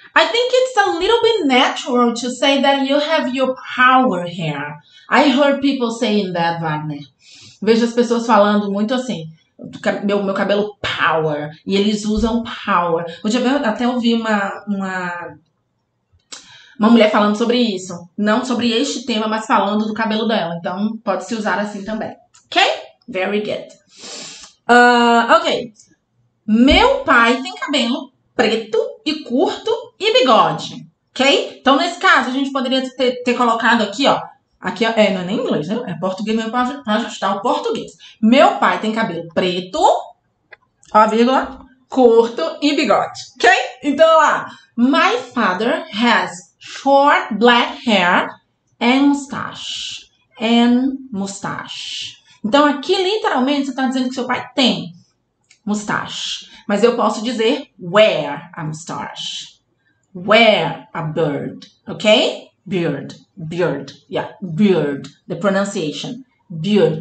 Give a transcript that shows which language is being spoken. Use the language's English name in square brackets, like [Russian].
[English] I think it's a little bit natural to say that you have your power hair. I heard people saying that, Wagner. [Portuguese] Vejo as pessoas falando muito assim, meu cabelo power, e eles usam power. Eu já até ouvi uma mulher falando sobre isso. Não sobre este tema, mas falando do cabelo dela. Então, pode se usar assim também. Ok? [English] Very good. [Portuguese] Ok. Meu pai tem cabelo preto e curto e bigode, ok? Então, nesse caso, a gente poderia ter colocado aqui, ó. Aqui, é, não é nem inglês, né? É português mesmo para ajustar o português. Meu pai tem cabelo preto, ó, vírgula, curto e bigode, ok? Então, lá. [English] My father has short black hair and mustache. And mustache. [Portuguese] Então, aqui, literalmente, você está dizendo que seu pai tem mustache. Mas eu posso dizer [English] wear a mustache. Wear a beard. Ok? Beard. Beard. Yeah. Beard. The pronunciation. Beard.